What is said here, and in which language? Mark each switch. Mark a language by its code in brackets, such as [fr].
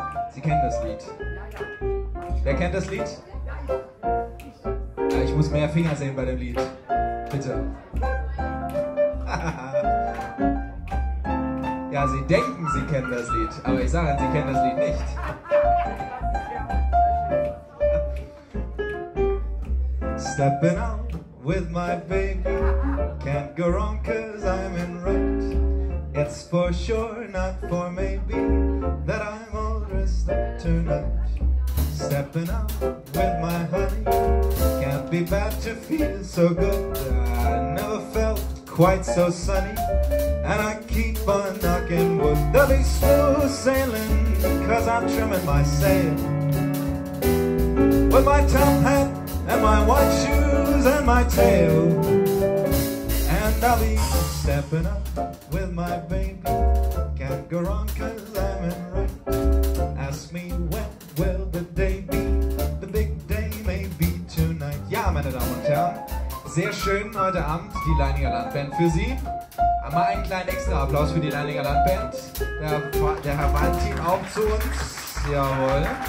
[de] Sie kennen das Lied. Wer kennt das Lied? Ja, ich muss mehr Finger sehen bei dem Lied. Bitte. Ja, Sie denken, Sie kennen das Lied, aber ich sage, Sie kennen das Lied nicht. [en] Stepping out with my baby, can't go wrong cause I'm in right. It's for sure, not for maybe, that I'm all dressed up tonight. Stepping out with my honey, can't be bad to feel so good. I never felt quite so sunny, and I keep on knocking wood. There'll be smooth sailing, cause I'm trimming my sail. With my top hat, and my white shoes, and my tail. And I'll be stepping up with my baby. Can't go wrong, cause I'm in right. Ask me when will the day be? The big day may be tonight. [de] Ja, meine Damen und Herren, sehr schön heute Abend, die Leininger Landband für Sie. Mal einen kleinen extra Applaus für die Leininger Landband. Der Herr Valentin auch zu uns. Jawohl.